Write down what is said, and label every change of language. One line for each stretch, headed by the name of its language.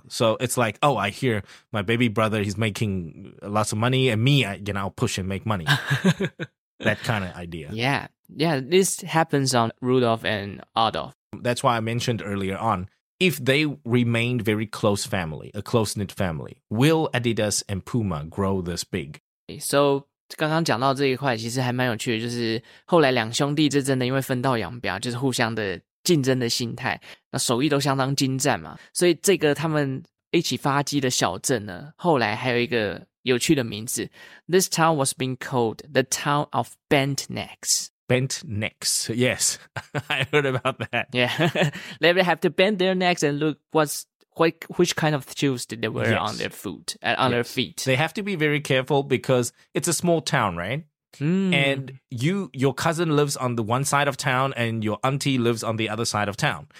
English: So it's like, oh, I hear my baby brother, he's making lots of money, and me, I'll push and make money. That kind of idea. Yeah. Yeah. This happens on Rudolf and Adolf. That's why I mentioned earlier on, if they remained very close family, a close-knit family, will Adidas and Puma grow this big?
Chinese: So 刚刚讲到这一块其实还蛮有趣的，就是后来两兄弟这真的因为分道扬镳，就是互相的竞争的心态，那手艺都相当精湛嘛，所以这个他们一起发迹的小镇呢，后来还有一个有趣的名字。
English: This town was being called the town of bent necks. Bent necks, yes. I heard about that. Yeah. They would have to bend their necks and look which kind of shoes did they wear on their foot, their feet. They have to be very careful because it's a small town, right? And your cousin lives on the one side of town and your auntie lives on the other side of town.